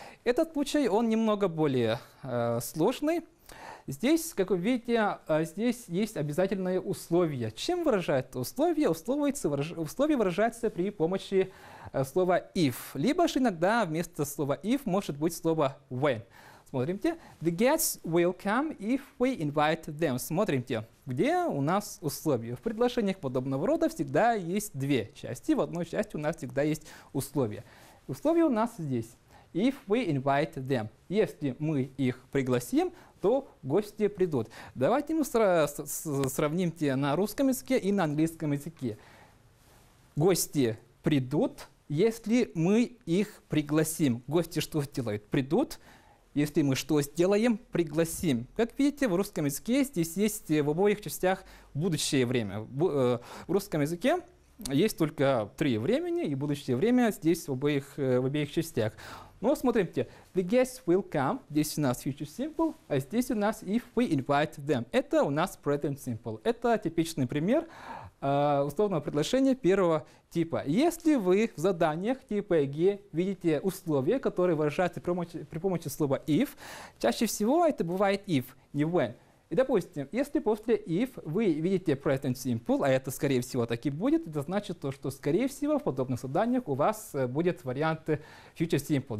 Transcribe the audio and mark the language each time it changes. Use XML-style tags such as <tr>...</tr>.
<ru>Этот случай, он немного более сложный. Здесь, как вы видите, здесь есть обязательное условие. Чем выражает условие? Условие выражается при помощи слова if. Либо же иногда вместо слова if может быть слово when. Смотрите.</ru> <en>The guests will come if we invite them.</en> <ru>Смотрите. Где у нас условия? В предложениях подобного рода всегда есть две части. В одной части у нас всегда есть условия. Условия у нас здесь.</ru> <en>If we invite them.</en> <ru>Если мы их пригласим, то гости придут. Давайте мы сравним те на русском языке и на английском языке. Гости придут, если мы их пригласим. Гости что сделают? Придут. Если мы что сделаем? Пригласим. Как видите, в русском языке здесь есть в обоих частях будущее время. В русском языке есть только три времени, и будущее время здесь в обеих частях. Но смотрите,</ru> <en>the guests will come,</en> <ru>здесь у нас future simple, а здесь у нас</ru> <en>if we invite them.</en> <ru>Это у нас present simple. Это типичный пример условного предложения первого типа. Если вы в заданиях типа ЕГЭ видите условия, которые выражаются при помощи слова if, чаще всего это бывает if, не when. И допустим, если после if вы видите present simple, а это скорее всего так и будет, это значит то, что скорее всего в подобных заданиях у вас будет вариант future simple.</ru>